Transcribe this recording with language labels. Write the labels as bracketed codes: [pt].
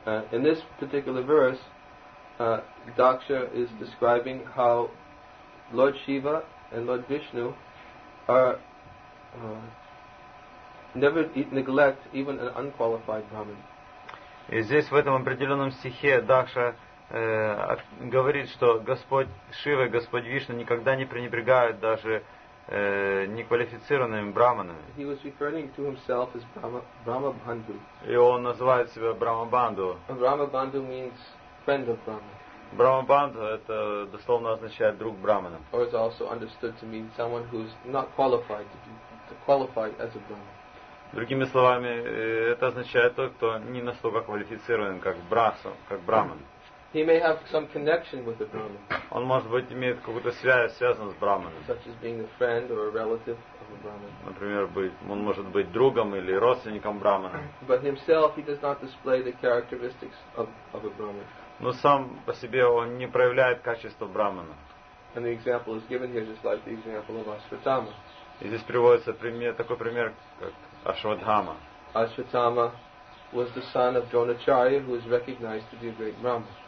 [en] In this particular verse, Daksha is describing how Lord Shiva and Lord Vishnu are never neglect even an unqualified brahmin. [ru] И здесь в этом определенном стихе Дакша говорит, что Господь Шива и Господь Вишну никогда не пренебрегают даже неквалифицированными браманами. [en] He was referring to himself as Brahma Bandhu. [ru] И он называет себя Брахма Банду. [en] Brahma Bandhu means friend of Brahma. [ru] Брахма Банду это дословно означает друг брамана. [en] Or it's also understood to mean someone who's not qualified to qualify as a Brahma. [ru] Другими словами, это означает тот, кто не настолько квалифицирован как браман. [en] He may have some connection with the Brahman. [ru] Он, может быть, имеет какую-то связь, связанную с Брахманом. [en] Such as being a friend or a relative of a Brahman. [ru] Например, он может быть другом или родственником Брахмана. [en] But himself, he does not display the characteristics of a Brahman. [ru] Но сам по себе он не проявляет качества Брахмана. [en] And the example is given here just like the example of Ashvatthama. [ru] И здесь приводится пример, такой пример, как Ашватхама. [en] Ashvatthama was the son of Dronacharya, who was recognized to be a great Brahmin.